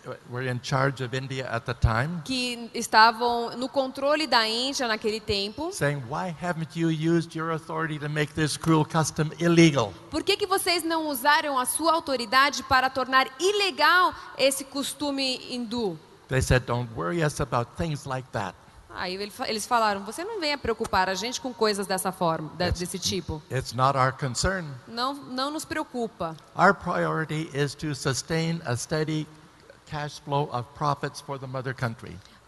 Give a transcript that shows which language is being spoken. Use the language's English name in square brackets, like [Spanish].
[Portuguese] were in charge of India at the time, que estavam no controle da Índia naquele tempo, [English] saying, "Why haven't you used your authority to make this cruel custom illegal?" [Portuguese] Por que que vocês não usaram a sua autoridade para tornar ilegal esse costume hindu? [English] They said, "Don't worry us about things like that." [Portuguese] Aí eles falaram, você não venha preocupar a gente com coisas dessa forma, desse tipo. [English] It's not our concern. [Portuguese] Não nos preocupa. [English] Our priority is to sustain a steady cash flow of profits for the mother country.